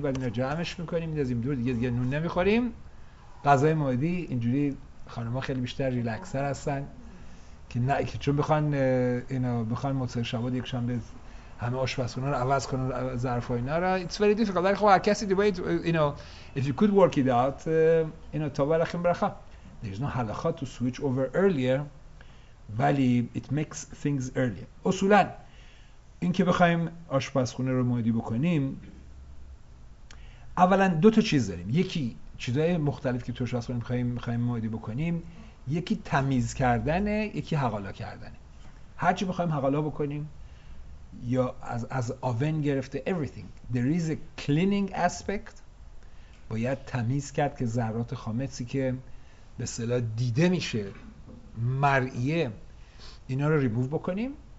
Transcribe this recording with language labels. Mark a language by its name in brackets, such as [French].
[Persian] بعد اینا جمعش میکنیم میذاریم دور، دیگه نون نمیخوریم. غذای موعدی اینجوری خانم‌ها خیلی بیشتر ریلکس‌تر هستن که نه که چون بخوان اینا بخوان متصل شواد یک شنبه همه آشپزخونه رو عوض کنن ظرف و اینا را. [English] It's very difficult. [Persian] ولی خب هر کسی دیگه باید اینو [English] if you could work it out [Persian] اینو تا بالاخره برخه. [English] There's no halakha to switch over earlier. ولی it makes things earlier. [Persian] اصولا این که بخوایم آشپزخونه رو مودی بکنیم، اولا دو تا چیز داریم. یکی چیزای مختلف که تو آشپزخونه می‌خوایم مودی بکنیم، یکی تمیز کردنه، یکی حقالا کردنه. هر چی بخوایم حقالا بکنیم یا از اوون گرفته [English] everything there is a cleaning aspect، [Persian] باید تمیز کرد که ذرات خامتی که به اصطلاح دیده میشه مرئیه اینا رو ریموو بکنیم.